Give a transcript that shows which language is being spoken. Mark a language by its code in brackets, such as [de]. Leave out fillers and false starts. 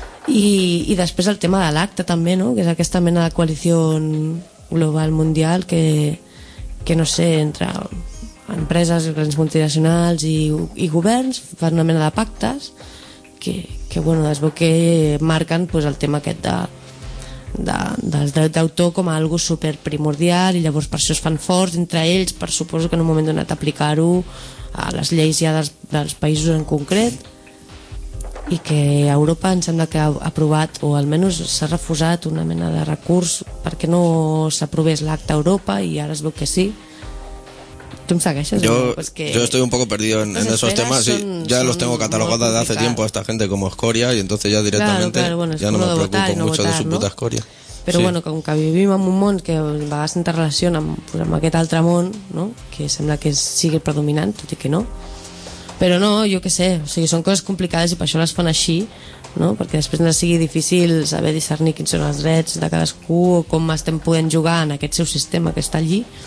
[ca] I després el tema de l'ACTA, també, no? Que és aquesta mena de coalició global mundial que no sé, entre empreses, grans multinacionals i governs, fan una mena de pactes que bueno, es veu que marquen, pues, el tema aquest del dret d'autor com a algo super primordial, i llavors per això es fan forts entre ells, per suposo que en un moment donat aplicar-ho a les lleis ja dels països en concret, i que Europa em sembla que ha aprovat, o almenys s'ha refusat una mena de recurs perquè no s'aprovés l'acte a Europa, i ara es veu que sí. [es] ¿Tú me sacas eso? Yo estoy un poco perdido en esos temas. Sí, ya los tengo catalogados desde hace tiempo a esta gente como escoria, y entonces ya directamente ya no me preocupo mucho de su puta escoria. [ca] Però bueno, com que vivim en un món que a vegades s'interrelaciona amb aquest altre món, no? Que sembla que sigui predominant, tot i que no. Però no, jo què sé, o sigui, són coses complicades i per això les fan així, no? Perquè després no sigui difícil saber discernir quins són els drets de cadascú o com estem podent jugar en aquest seu sistema que està allí.